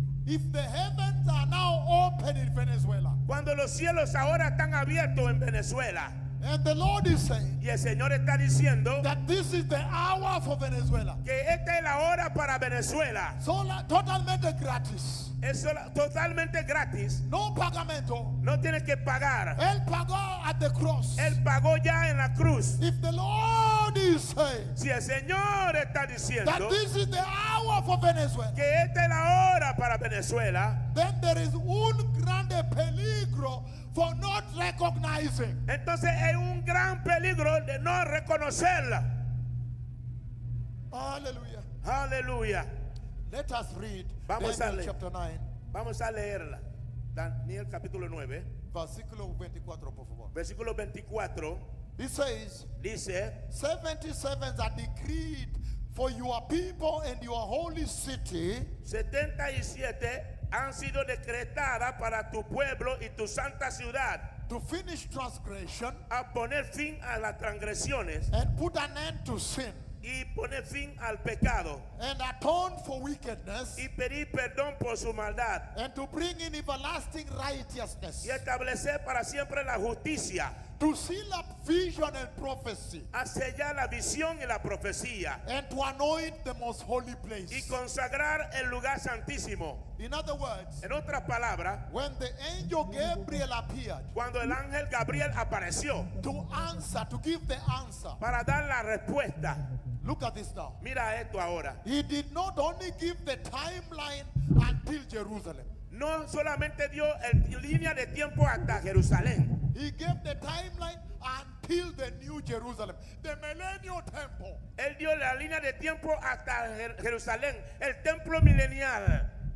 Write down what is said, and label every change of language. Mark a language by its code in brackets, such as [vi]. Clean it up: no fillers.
[en] If the heavens are now open in Venezuela, [es] cuando los cielos ahora están abiertos en Venezuela, [en] and the Lord is saying, [es] y el Señor está diciendo, [en] that this is the hour for Venezuela, [es] que esta es la hora para Venezuela, sola, totalmente gratis, es totalmente gratis, no pagamento, no tienes que pagar, él pagó [en] at the cross, [es] él pagó ya en la cruz. [en] If the Lord is saying, [es] si el Señor está diciendo, [en] that this is the hour for Venezuela, [es] que esta es la hora para Venezuela, [en] then there is [es] un grande peligro [en] for not recognizing. [es] Entonces es un gran peligro de no reconocerla. Aleluya. Aleluya. [en] Let us read [es] vamos Daniel a leer. [en] Chapter 9. [es] Vamos a leerla. Daniel capítulo 9. Versículo 24, por favor. Versículo 24. [en] It says, [es] dice, [en] 77 are decreed for your people and your holy city. [es] 77 han sido decretadas para tu pueblo y tu santa ciudad. [en] To finish transgression, [es] a poner fin a las transgresiones, [en] and put an end to sin, [es] y poner fin al pecado, [en] and atone for wickedness, [es] y pedir perdón por su maldad, [en] and to bring in everlasting righteousness, [es] y establecer para siempre la justicia, [en] to seal up vision and prophecy, [es] a sellar la visión y la profecía, [en] and to anoint the most holy place, [es] y consagrar el lugar santísimo. [en] In other words, [es] en otras palabras, [en] when the angel Gabriel appeared, [es] cuando el ángel Gabriel apareció, [en] to answer, to give the answer, [es] para dar la respuesta. [en] Look at this now. [es] Mira esto ahora. [en] He did not only give the timeline until Jerusalem. [es] No solamente dio el línea de tiempo hasta Jerusalén. [en] He gave the timeline until the new Jerusalem, the millennial temple. [es] Él dio la línea de tiempo hasta Jerusalén, el templo milenial.